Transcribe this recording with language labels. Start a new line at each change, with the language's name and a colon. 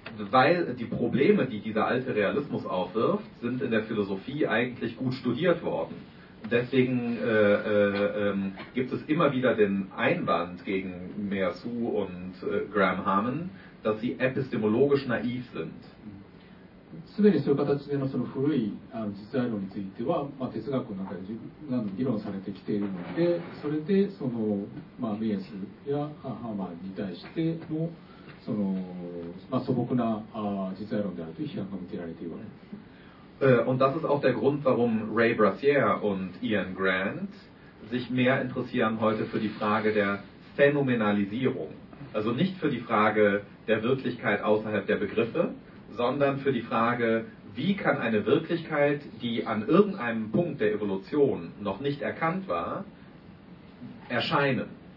German: weil die Probleme, die dieser alte Realismus aufwirft, sind in der Philosophie eigentlich gut studiert worden. deswegen gibt es immer wieder den Einwand gegen Meher Su und Graham Harman, dass sie epistemologisch naiv sind.
Japanese: すでにそういう形で の, その古い実在論については、まあ、哲学の中で議論されてきているので、それでその、まあ、メイエスやハーマンに対して の, その、まあ、素朴な実在論であるという批判が向けられているわけです。
German: Und das ist auch der Grund, warum Ray Brassiere und Ian Grant sich mehr interessieren heute für die Frage der Phänomenalisierung, also nicht für die Frage der Wirklichkeit außerhalb der Begriffe, sondern für die Frage, wie kann eine Wirklichkeit, die an irgendeinem Punkt der Evolution noch nicht erkannt war, erscheinen?